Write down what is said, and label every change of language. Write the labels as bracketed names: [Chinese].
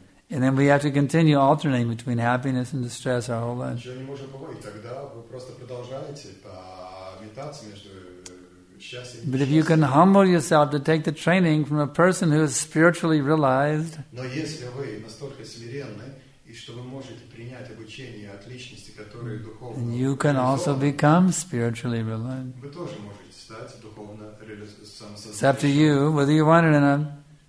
[English] And then we have to continue alternating between happiness and distress our whole life. [Russian] Ничего не можем побоить. Тогда вы просто продолжаете метаться между счастьем и [English] But if you can humble yourself to take the training from a person who is spiritually realized, [Russian] но если вы настолько смиренны, и что вы можете принять обучение от личности, которая духовно [English] And you can also become spiritually realized. [Russian] Вы тоже можете стать духовно самосознающим. [English] It's up to you, whether you want it or not.